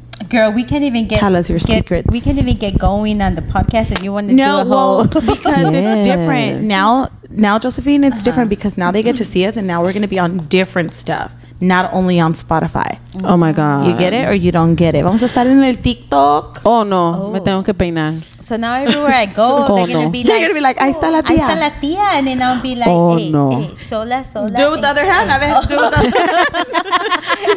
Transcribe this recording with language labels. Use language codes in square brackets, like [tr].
[en] Girl, we can't even get tell us your secrets. We can't even get going on the podcast if you want to. It's different now, Josephine. It's different because now they get to see us, and now we're going to be on different stuff, not only on Spotify. Oh my god, you get it or you don't get it. [es] Vamos a estar en el TikTok. Oh no, me tengo que peinar. [en] So now everywhere I go, they're gonna be like, [es] "Ahí está la tía." Ahí está la tía, [en] and then I'll be like, "Hey, sola." Do it with the other hand.